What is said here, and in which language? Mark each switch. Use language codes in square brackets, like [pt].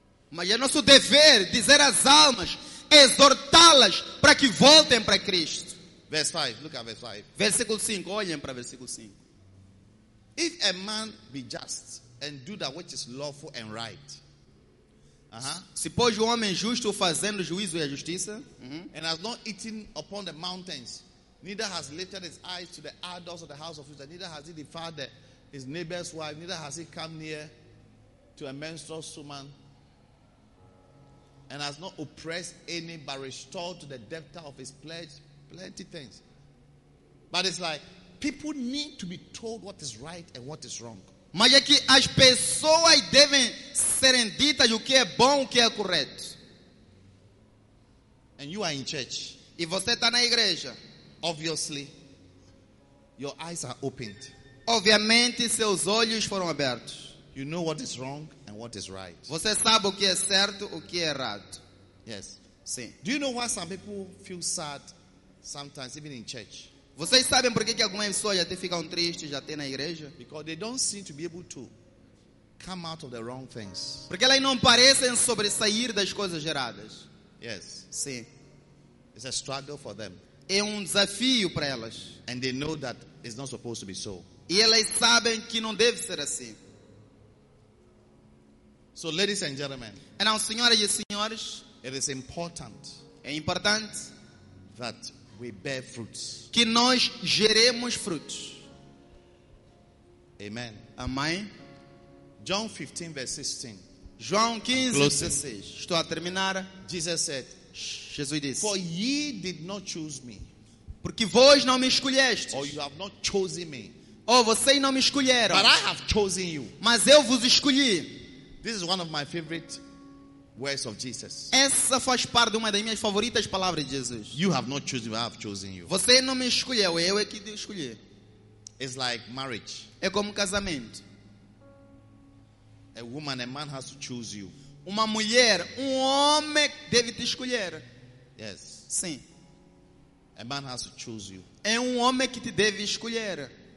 [pt] Mas é nosso dever dizer às almas, exortá-las para que voltem para Cristo. [en] Verse 5, look at verse 5. [pt] Versículo 5, olhem para versículo 5. [en] If a man be just and do that which is lawful and right. [pt] Se pois o homem justo fazendo juízo e a justiça, [en] and has not eaten upon the mountains, neither has lifted his eyes to the idols of the house of Israel, neither has he defiled his neighbor's wife, neither has he come near to a menstrual woman, and has not oppressed any but restored to the debtor of his pledge plenty things. But it's like people need to be told what is right and what is wrong. [pt] Mas é que as pessoas devem serem ditas o que é bom, o que é correto. [en] And you are in church. [pt] E você está na igreja. [en] Obviously, your eyes are opened. [pt] Obviamente, seus olhos foram abertos. [en] You know what is wrong and what is right. [pt] Você sabe o que é certo, o que é errado. [en] Yes. [pt] Sim. [en] Do you know why some people feel sad sometimes, even in church? [pt] Vocês sabem por que algumas pessoas até ficam tristes já até na igreja? [en] Because they don't seem to be able to come out of the wrong things. [pt] Porque elas não parecem sobressair das coisas geradas. [en] Yes. [pt] Sim. [en] It's a struggle for them. [pt] É desafio para elas. [en] And they know that it's not supposed to be so. [pt] E elas sabem que não deve ser assim. [en] So, ladies and gentlemen. [pt] Então, senhoras e senhores, [en] it is important. [pt] É importante [en] that we bear fruits. [pt] Que nós geremos frutos. [en] Amen. [pt] Amém. [en] John 15 verse 16. [pt] João 15 verse 16. Estou a terminar. [en] Jesus said. [pt] Jesus disse. [en] For ye did not choose me. [pt] Porque vós não me escolhestes. [en] Or you have not chosen me. [pt] Oh, vocês não me escolheram. [en] But I have chosen you. [pt] Mas eu vos escolhi. [en] This is one of my favorite words of Jesus. [pt] Essa faz parte de uma das minhas favoritas palavras de Jesus. [en] You have not chosen me, I have chosen you. [pt] Você não me escolheu, eu é que te escolhi. [en] It's like marriage. [pt] É como casamento. [en] A woman, a man has to choose you. [pt] Uma mulher, homem deve te escolher. [en] Yes. [pt] Sim. [en] A man has to choose you. [pt] É homem que te deve escolher.